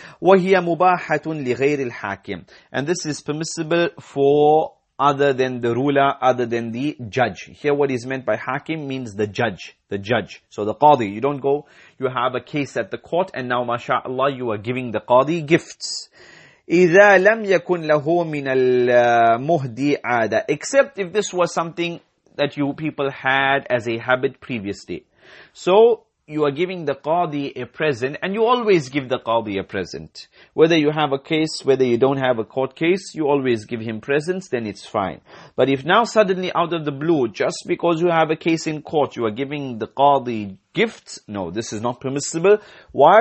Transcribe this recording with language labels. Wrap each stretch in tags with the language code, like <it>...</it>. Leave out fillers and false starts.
<ar>وَهِيَ مُبَاحَةٌ لِغَيْرِ الْحَاكِمِ.</ar> <en>And this is permissible for other than the ruler, other than the judge. Here what is meant by hakim means the judge. So the qadi, you don't go, you have a case at the court and now mashallah you are giving the qadi gifts.</en> <ar>إذا لم يكن له من المهدي عادة.</ar> <en>Except if this was something that you people had as a habit previously. So you are giving the qadi a present, and you always give the qadi a present. Whether you have a case, whether you don't have a court case, you always give him presents, then it's fine. But if now suddenly out of the blue, just because you have a case in court, you are giving the qadi gifts, no, this is not permissible. Why?</en>